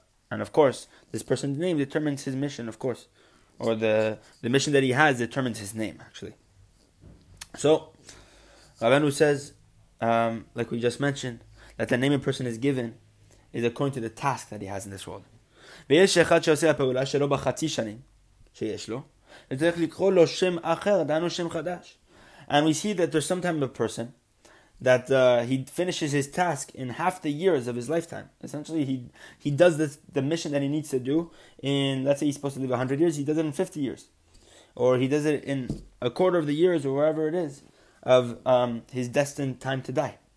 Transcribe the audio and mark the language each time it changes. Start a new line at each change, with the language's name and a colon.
English: And of course, this person's name determines his mission, of course. Or the mission that he has determines his name, actually. So, Rabbeinu says, like we just mentioned, that the name a person is given is according to the task that he has in this world.
Hebrew: ויש אחד שעושה הפעולה שלו בחצי שנים שיש לו, וצריך לקרוא לו שם אחר, דענו שם חדש.
English: And we see that there's some type of person that he finishes his task in half the years of his lifetime. Essentially, he does the mission that he needs to do in, let's say he's supposed to live 100 years, he does it in 50 years. Or he does it in a quarter of the years or wherever it is of his destined time to die.